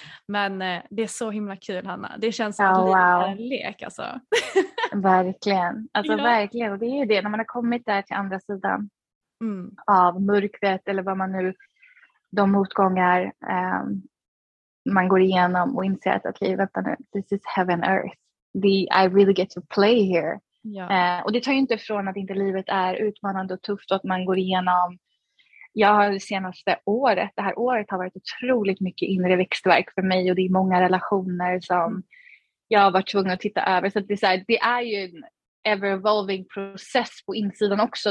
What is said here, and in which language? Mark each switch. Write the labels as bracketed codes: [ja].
[sv] Men det är så himla kul, Hanna. Det känns som en lek, alltså. Verkligen. Alltså verkligen. Det är ju det, när man har kommit där till andra sidan av mörkret, eller vad man nu, de motgångar man går igenom, och inser att okej, vänta nu, [en] this is heaven earth. I really get to play here. [sv] Ja. Och det tar ju inte från att inte livet är utmanande och tufft, och att man går igenom. Jag har det senaste året, det här året har varit otroligt mycket inre växtverk för mig, och det är många relationer som jag har varit tvungen att titta över. Så att det är ju en [en] ever evolving process [sv] på insidan också.